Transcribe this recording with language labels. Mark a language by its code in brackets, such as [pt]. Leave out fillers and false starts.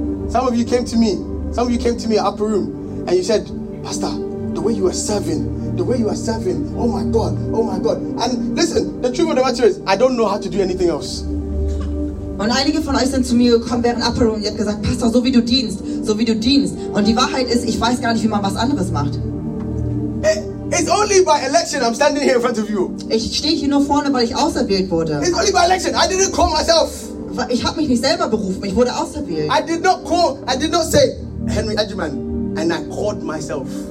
[en] Some of you came to me in upper room, and you said, Pastor, the way you are serving, oh my God. And listen, the truth of the matter is, I don't know how to do anything else. [de] Und einige von euch sind zu mir gekommen während upper room und ihr habt gesagt, Pastor, so wie du dienst. Und die Wahrheit ist, ich weiß gar nicht, wie man was anderes macht. [en] It's only by election I'm standing here in front of you. [de] Ich stehe hier nur vorne, weil ich auserwählt wurde. [en] It's only by election. I didn't call myself. [de] Ich habe mich nicht selber berufen, ich wurde auserwählt. [en] I did not say Henry Agyeman, and I called myself.